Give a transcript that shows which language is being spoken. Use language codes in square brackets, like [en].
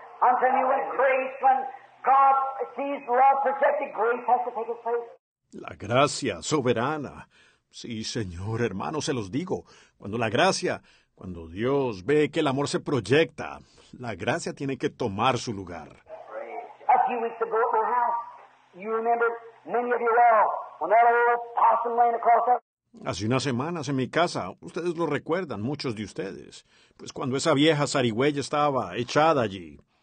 [en] I'm telling you, when grace, when God sees love projected, grace has to take its place. [es] La gracia soberana. Sí, señor, hermano, se los digo. Cuando la gracia, cuando Dios ve que el amor se proyecta, la gracia tiene que tomar su lugar. [en] A few weeks ago at my house, you remember many of you well, when that old possum laying across that. [es] Hace unas semanas en mi casa, ustedes lo recuerdan, muchos de ustedes, pues cuando esa vieja zarigüeya estaba echada allí.